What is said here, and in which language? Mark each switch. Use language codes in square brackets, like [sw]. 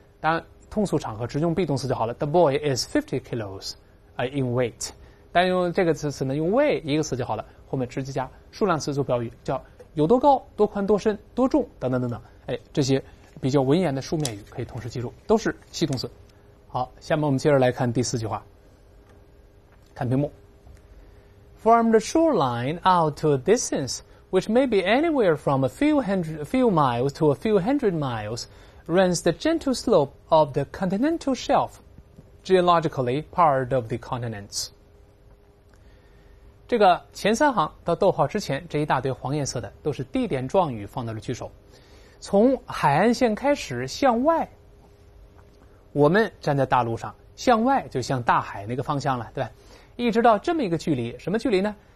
[zh] 当然，通俗场合直用 be 动词就好了。 [en] The boy is 50 kilos in weight。 [zh] 但用这个词呢，用 weigh 一个词就好了，后面直接加数量词做表语，叫有多高、多宽、多深、多重等等等等。这些比较文言的书面语可以同时记住，都是系动词。好，下面我们接着来看第四句话。看屏幕。 [en] From the shoreline out to a distance, which may be anywhere from a few miles to a few hundred miles, runs the gentle slope of the continental shelf, geologically part of the continents. [zh] 这个前三行到逗号之前这一大堆黄颜色的都是地点状语放到了句首。从海岸线开始向外，我们站在大陆上，向外就向大海那个方向了，对吧？一直到这么一个距离，什么距离呢？